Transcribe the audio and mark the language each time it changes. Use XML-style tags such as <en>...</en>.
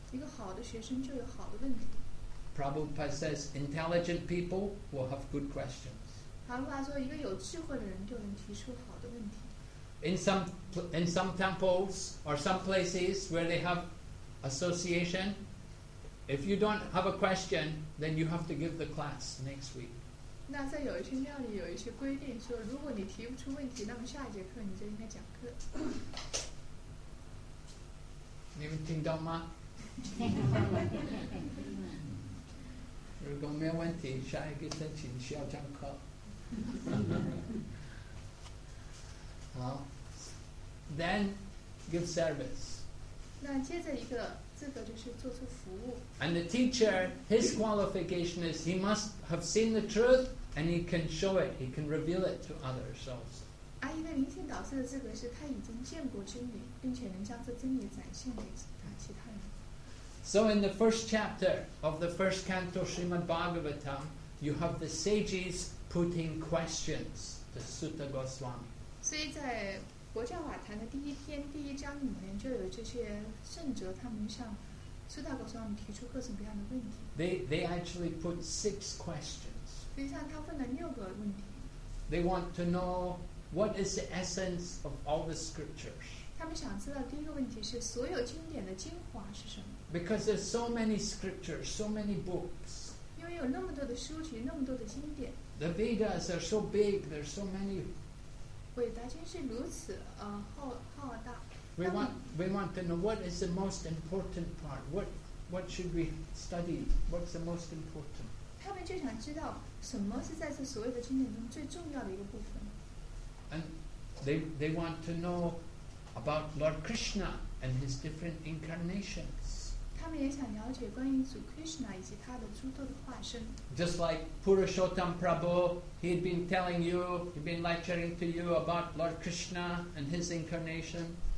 <zh>一个好的学生就有好的问题。</zh> <en>Prabhupada says intelligent people will have good questions.</en> <zh>巴拉巴说一个有智慧的人就能提出好的问题。</zh> <en>In some temples or some places where they have association, if you don't have a question, then you have to give the class next week.</en> <zh>那在有一些庙里有一些规定说，如果你提不出问题，那么下一节课你就应该讲课。你们听到吗？如果没有问题，下一个星期需要讲课。好。</zh> <en>Then give service.</en> <zh>那接着一个资格就是做出服务。</zh> <en>And the teacher, his qualification is he must have seen the truth and he can show it, he can reveal it to others also.</en> <zh>而一个灵性导师的资格是他已经见过真理，并且能将这真理展现给其他人。</zh> <en>So in the first chapter of the first canto Srimad Bhagavatam, you have the sages putting questions to Sutta Goswami.</en> <zh>所以在佛教瓦坛的第一篇第一章里面就有这些圣哲，他们向苏大国说他们提出各种各样的问题。</zh> <en>They actually put six questions.</en> <zh>实际上他问了六个问题。</zh> <en>They want to know what is the essence of all the scriptures.</en> <zh>他们想知道第一个问题是所有经典的精华是什么。</zh> <en>Because there's so many scriptures, so many books.</en> <zh>因为有那么多的书籍，那么多的经典。</zh> <en>The Vedas are so big, there's so many. We want to know what is the most important part. What should we study? What's the most important?</en> <zh>他们就想知道什么是在这所谓的经典中最重要的一个部分。</zh> <en>And they want to know about Lord Krishna and his different incarnations.</en> <zh>他们也想了解关于主 Krishna 以及他的诸多的化身。</zh> <en>Just like Purushottam Prabhu. He'd been telling you, he'd been lecturing to you about Lord Krishna and his incarnation.</en>